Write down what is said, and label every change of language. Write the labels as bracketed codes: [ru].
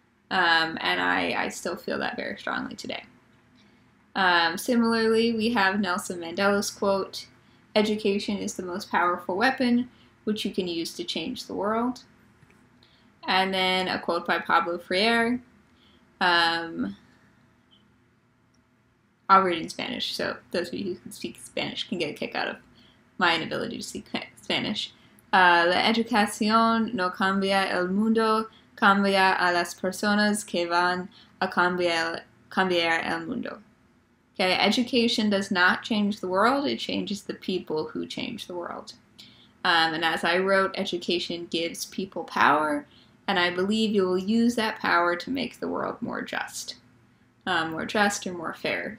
[en] And I still feel that very strongly today. Similarly, we have Nelson Mandela's quote, education is the most powerful weapon which you can use to change the world. And then a quote by Pablo Freire. I'll read in Spanish, so those of you who can speak Spanish can get a kick out of my inability to speak Spanish. [es] La educación no cambia el mundo, cambia a las personas que van a cambiar el mundo. [en] Okay, education does not change the world, it changes the people who change the world. And as I wrote, education gives people power, and I believe you will use that power to make the world more just and more fair.